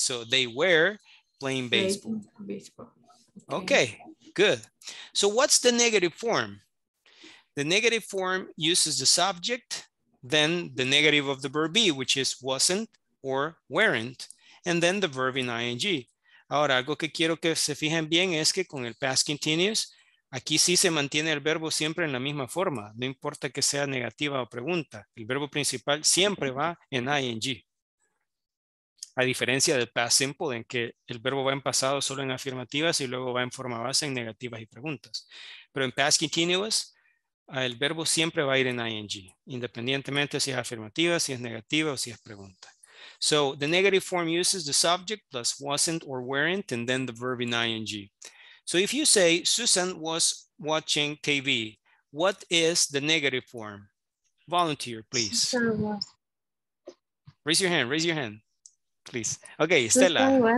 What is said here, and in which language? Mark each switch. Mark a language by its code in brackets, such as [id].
[en] So they were playing baseball. Okay. Good. So what's the negative form? The negative form uses the subject, then the negative of the verb be, which is wasn't or weren't. And then the verb in ing. [es] Ahora, algo que quiero que se fijen bien es que con el past continuous, aquí sí se mantiene el verbo siempre en la misma forma. No importa que sea negativa o pregunta. El verbo principal siempre va en ing. A diferencia del past simple, en que el verbo va en pasado solo en afirmativas y luego va en forma base en negativas y preguntas. Pero en past continuous, el verbo siempre va a ir en ing, independientemente si es afirmativa, si es negativa o si es pregunta. [en] So the negative form uses the subject plus wasn't or weren't and then the verb in ing. So if you say Susan was watching TV, what is the negative form? Volunteer, please. Susan was. Raise your hand, please. Okay, Stella.